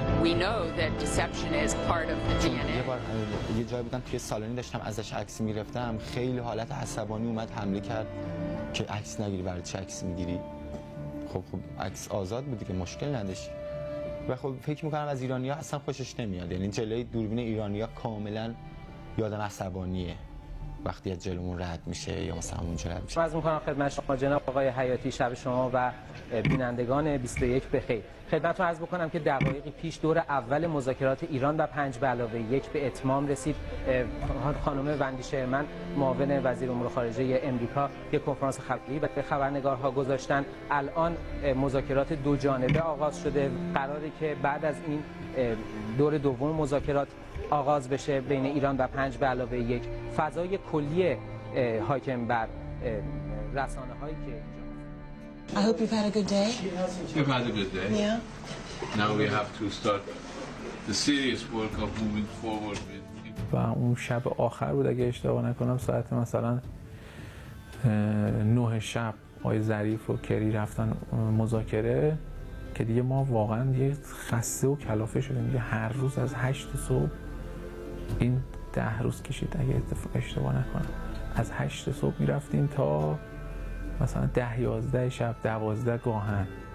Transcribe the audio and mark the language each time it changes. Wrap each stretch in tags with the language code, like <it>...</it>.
<en>We know that deception is part of the DNA.</en> <fa>یه بار یه جایی بودم توی سالونی داشتم ازش عکس میگرفتم، خیلی حالت عصبانی اومد حمله کرد که عکس نگیری، برای چه عکس میگیری؟ خب عکس آزاد بود که، مشکل نداشت. و خب فکر میکنم از ایرانی ها اصلا خوشش نمیاد، یعنی جلوی دوربین ایرانی ها کاملا یادم عصبانیه وقتی از جلومون رد میشه یا مثلا اونجا رد میشه. عرض میکنم خدمت شما جناب آقای حیاتی، شب شما و بینندگان 21 بخیر. خدمتتون عرض بکنم که دقایقی پیش دور اول مذاکرات ایران و 5+1 به اتمام رسید. خانم وندی شرمن معاون وزیر امور خارجه امریکا یک کنفرانس خبری به خبرنگارها گذاشتن. الان مذاکرات دو جانبه آغاز شده، قراره که بعد از این دور دوم مذاکرات آغاز بشه بین ایران و 5+1. فضای کلی حاکم بر رسانه هایی که</fa> <en>I hope you've had a good day. You've had a good day. Yeah. Now we have to start the serious work of moving forward with.</en> <fa>و اون شب آخر بود اگه اشتباه نکنم، ساعت مثلا 9 شب آقای ظریف و کری رفتن مذاکره، که دیگه ما واقعا دیگه خسته و کلافه شدیم، دیگه هر روز از 8 صبح این 10 روز کشید اگه اشتباه نکنم، از 8 صبح می‌رفتیم تا مثلا 10-11 شب 12 گاهن.</fa>